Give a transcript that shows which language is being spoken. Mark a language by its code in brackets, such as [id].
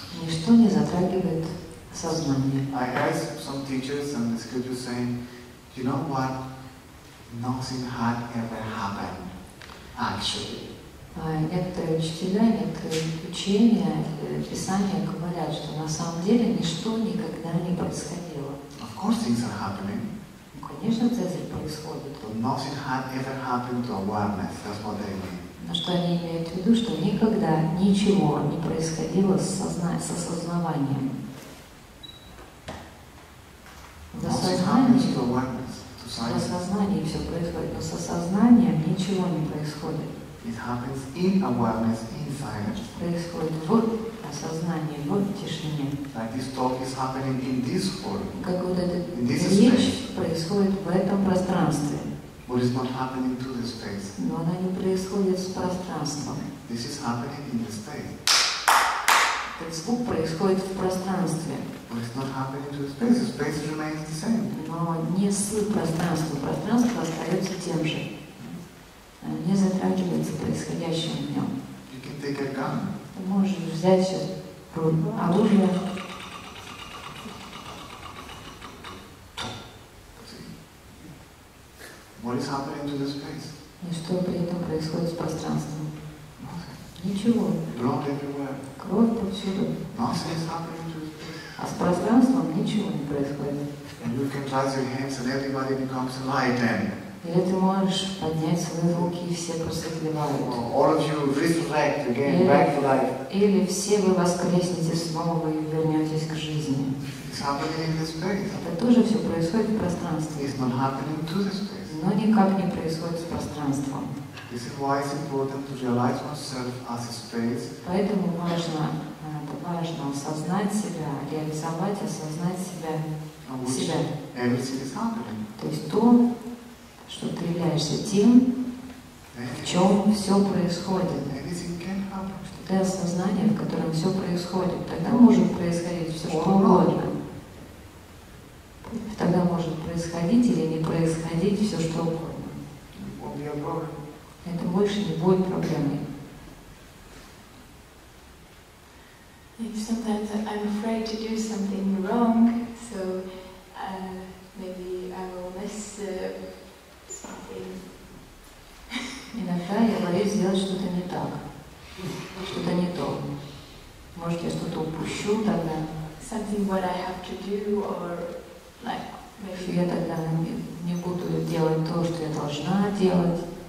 [ru] Ничто не затрагивает сознание. [en] I asked some teachers and the scripture saying, do you know what? Nothing had ever happened, actually. [ru] Некоторые учителя, некоторые учения, писания говорят, что на самом деле ничто никогда не происходило. [en] Of course things are happening. [ru] Конечно, это происходит. [en] But nothing had ever happened to awareness, that's what they mean. [ru] Но что они имеют в виду, что никогда ничего не происходило с осознаванием. В осознании все происходит, но с осознанием ничего не происходит. [en] It happens in awareness, in silence. [ru] Происходит в осознании, в тишине. [en] Like this talk is happening in this form. [ru] Как вот эта речь происходит в этом пространстве. [en] But it's not happening to the space. [ru] Но она не происходит с пространством. [en] This is happening in the space. [ru] Этот звук происходит в пространстве. [en] But it's not happening to the space. The space remains the same. [ru] Но не с пространством. Пространство остается тем же. Не затрагивается происходящее в нем. [en] You can take a gun. [ru] Ты можешь взять все оружие. [en] What is happening to the space? [ru] И что при этом происходит с пространством? Ничего. [en] Blood everywhere. [ru] Кровь повсюду. [en] Nothing is happening to the space. [ru] А с пространством ничего не происходит. [en] And you can raise your hands and everybody becomes enlightened. [ru] Или ты можешь поднять свои руки, и все просветлевают. [en] All of you resurrect again, back to life. [ru] Или все вы воскреснете снова и вернетесь к жизни. [en] It's happening in the space. [ru] Это тоже все происходит в пространстве. [en] It's not happening to the space. [ru] Но никак не происходит с пространством. [en] This is why it's important to realize oneself as a space. [ru] Поэтому важно осознать себя, реализовать, осознать себя. [en] Everything is happening. [ru] То есть то, что ты являешься тем, в чем все происходит. [en] Everything can happen. [ru] Что ты осознание, в котором все происходит. Тогда может происходить все, что угодно. Тогда может происходить или не происходить все, что угодно. Это больше не будет проблемой. [en] Maybe sometimes I'm afraid to do something wrong, so maybe I will miss something. [ru] Иногда я боюсь сделать что-то не так, что-то не то. Может, я что-то упущу тогда. [en] Something what I have to do or like, maybe. [ru] Я тогда не буду делать то, что я должна делать.